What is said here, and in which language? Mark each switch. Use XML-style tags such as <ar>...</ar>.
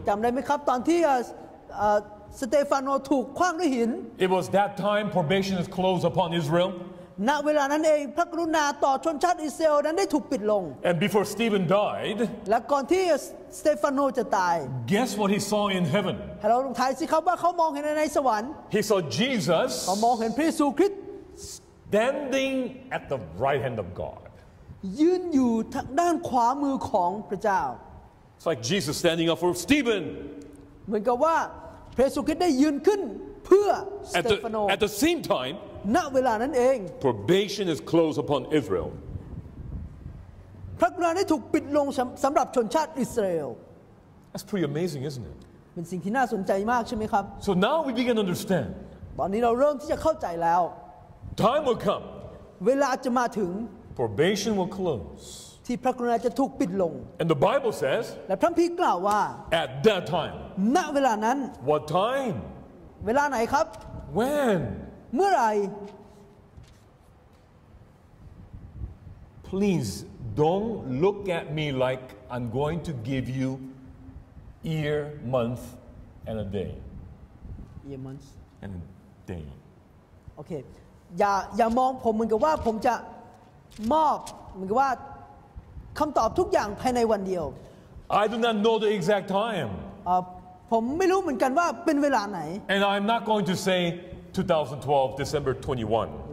<th>จำได้ไหมครับตอนที่สเตฟานโอถูกขว้างด้วยหิน</th> <en>It was that time probation is closed upon Israel</en> <th>ณเวลานั้นเองพระกรุณาต่อชนชาติอิสราเอลนั้นได้ถูกปิดลง</th> <en>And before Stephen died</en> <th>และก่อนที่สเตฟานโอจะตาย</th> <en>Guess what he saw in heaven</en> <th>เราลองทายสิครับว่าเขามองเห็นอะไรในสวรรค์</th> <en>He saw Jesus</en> <th>เขามองเห็นพระเยซูคริสต์</th> <en>Standing at the right hand of God.</en> <th>ยืนอยู่ทางด้านขวามือของพระเจ้า</th> <en>It's like Jesus standing up for Stephen.</en> <th>เหมือนกับว่าพระเยซูคริสต์ได้ยืนขึ้นเพื่อสเตฟานโอ</th> <en>At the same time,</en> <th>ณเวลานั้นเอง</th> <en>Probation is closed upon Israel.</en> <th>พระกรุณาได้ถูกปิดลงสำหรับชนชาติอิสราเอล</th> <en>That's pretty amazing, isn't it?</en> <th>เป็นสิ่งที่น่าสนใจมากใช่ไหมครับ</th> <en>So now we begin to understand.</en> <th>ตอนนี้เราเริ่มที่จะเข้าใจแล้ว</th> <en>Time will come.</en> <th>เวลาจะมาถึง</th> <en>Probation will close.</en> <th>ที่พระกรุณาจะถูกปิดลง</th> <en>And the Bible says.</en> <th>และพระคัมภีร์กล่าวว่า</th> <en>At that time.</en> <th>ณเวลานั้น</th> <en>What time?</en> <th>เวลาไหนครับ</th> <en>When?</en> <th>เมื่อไหร่</th> <en>Please don't look at me like I'm going to give you year, month, and a day. Year, month, and a day. Okay.</en> <th>อย่ามองผมเหมือนกับว่าผมจะมอบเหมือนกับว่าคำตอบทุกอย่างภายในวันเดียว</th> <en>I do not know the exact time</en> <th>ผมไม่รู้เหมือนกันว่าเป็นเวลาไหน</th> <en>And I'm not going to say 2012 December 21</en>